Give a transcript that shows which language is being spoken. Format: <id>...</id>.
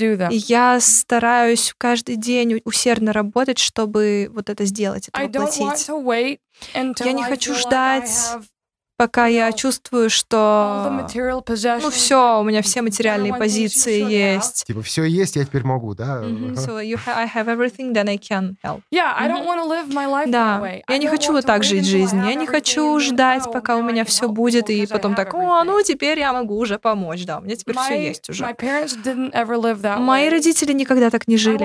<ru>И я стараюсь каждый день усердно работать, чтобы вот это сделать, это воплотить. Я не хочу ждать, пока я чувствую, что ну все, у меня все материальные позиции есть. Типа все есть, я теперь могу, да?</ru> <en>So you I have everything, then I can help. Yeah, I don't want to live my life that way.</en> <ru>Я не хочу вот так жить жизнь. Я не хочу ждать, пока у меня все будет, и потом так, о, ну теперь я могу уже помочь, да, у меня теперь все есть уже.</ru> <en>My parents didn't ever live that way.</en> <ru>Мои родители никогда так не жили.</ru>